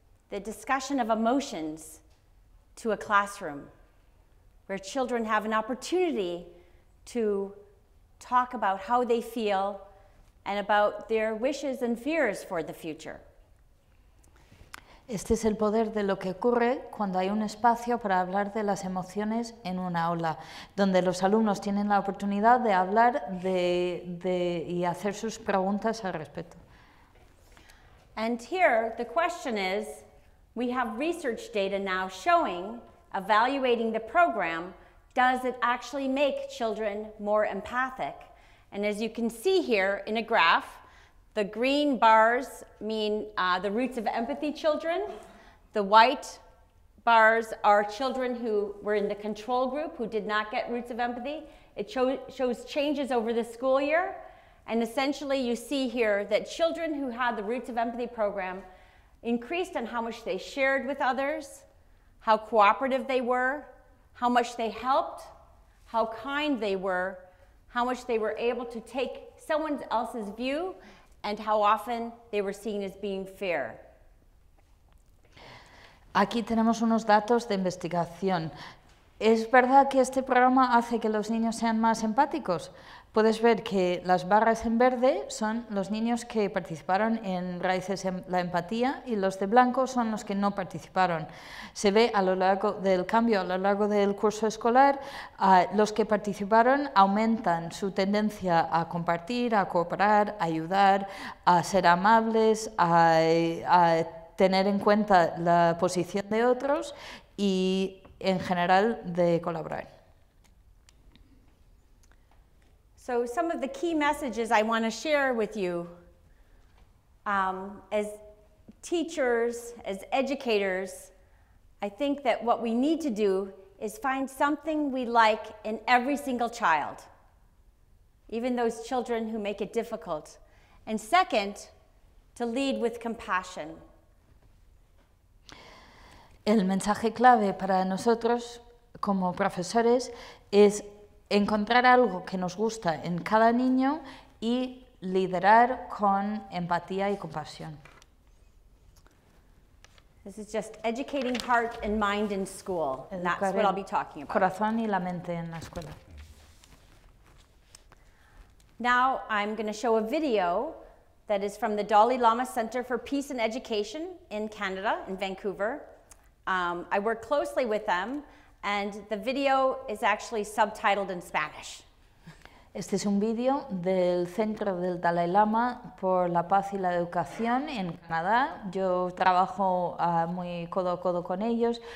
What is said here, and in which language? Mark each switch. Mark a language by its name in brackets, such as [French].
[English] the discussion of emotions to a classroom where children have an opportunity to talk about how they feel and about their wishes and fears for the future. [Spanish] Este es el poder de lo que ocurre cuando hay un espacio para hablar de las emociones en una aula, donde los alumnos tienen la oportunidad de hablar y hacer sus preguntas al respecto. [English] And here the question is, we have research data now showing, evaluating the program, does it actually make children more empathic? And as you can see here in a graph, the green bars mean the roots of empathy children. The white bars are children who were in the control group who did not get roots of empathy. It shows changes over the school year. And essentially you see here that children who had the roots of empathy program increased in how much they shared with others, how cooperative they were, how much they helped, how kind they were, how much they were able to take someone else's view, and how often they were seen as being fair. [Spanish] Aquí tenemos unos datos de investigación. ¿Es verdad que este programa hace que los niños sean más empáticos? Puedes ver que las barras en verde son los niños que participaron en Raíces en la Empatía y los de blanco son los que no participaron. Se ve a lo largo del cambio, a lo largo del curso escolar, los que participaron aumentan su tendencia a compartir, a cooperar, a ayudar, a ser amables, a tener en cuenta la posición de otros y, en general, de colaborar. [English] So some of the key messages I want to share with you as teachers, as educators, I think that what we need to do is find something we like in every single child, even those children who make it difficult. And second, to lead with compassion. [Spanish] El mensaje clave para nosotros como profesores es encontrar algo que nos gusta en cada niño y liderar con empatía y compasión. [English] This is just educating heart and mind in school, and that's what I'll be talking about. [Spanish] Corazón y la mente en la escuela. [English] Now I'm going to show a video that is from the Dalai Lama Center for Peace and Education in Canada, in Vancouver. I work closely with them. And the video is actually subtitled in Spanish. [Spanish] Este es un video del Centro del Dalai Lama por la Paz y la Educación en Canadá. Yo trabajo muy codo a codo con ellos.